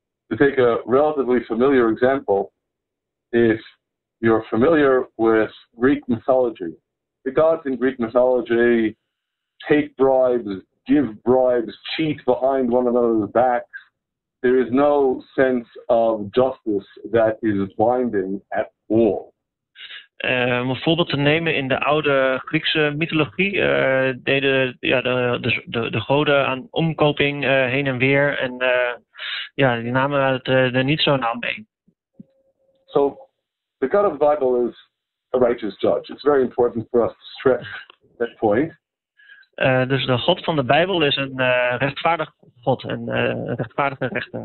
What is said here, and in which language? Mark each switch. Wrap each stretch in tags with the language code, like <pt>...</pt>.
<en>To take a relatively familiar example, if you're familiar with Greek mythology, the gods in Greek mythology take bribes, give bribes, cheat behind one another's backs. There is no sense of justice that is binding at all.</en> <nl>Om een voorbeeld te nemen, in de oude Griekse mythologie deden de goden aan omkoping heen en weer. En die namen het er niet zo nauw mee.</nl> <en>So, the God of the Bible is a righteous judge. It's very important for us to stress that point.</en> <nl>Dus de God van de Bijbel is een rechtvaardig God en een rechtvaardige rechter.</nl>